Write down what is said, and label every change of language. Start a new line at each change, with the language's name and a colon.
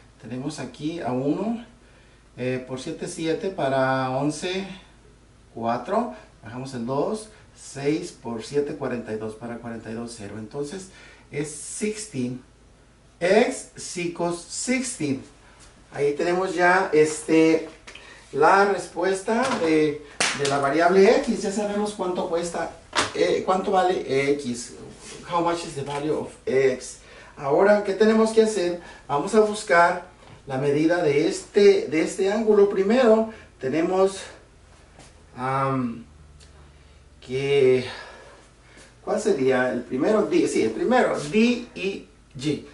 Spanish: Tenemos aquí a 1, por 7, 7 para 11, 4, bajamos el 2, 6 por 7, 42, para 42, 0. Entonces, es 16,
English: x equals 16.
Spanish: Ahí tenemos ya la respuesta de la variable x. Ya sabemos cuánto cuesta, cuánto vale x.
English: How much is the value of x?
Spanish: Ahora, ¿qué tenemos que hacer? Vamos a buscar la medida de este ángulo. Primero, tenemos que... ¿Cuál sería el primero? D, sí, el primero, D y G.